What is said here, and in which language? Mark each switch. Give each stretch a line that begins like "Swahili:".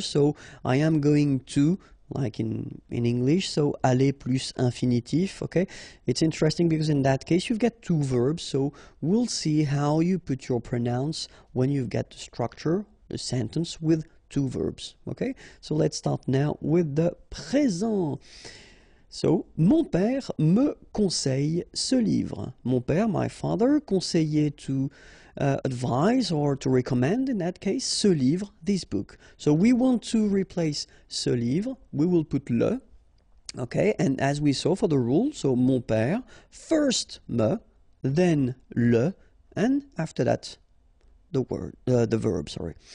English: So I am going to, like in English, so aller plus infinitif, okay? It's interesting because in that case, you've got two verbs, so we'll see how you put your pronouns when you've got the structure, the sentence, with two verbs, okay? So let's start now with the présent.
French: So, mon père me conseille ce livre. Mon père,
English: my father,
French: conseillait to
English: advise or to recommend in that case, ce livre, this book. So we want to replace ce livre, we will put le, okay, and as we saw for the rule, so mon père, first me, then le, and after that the word, the verb, sorry.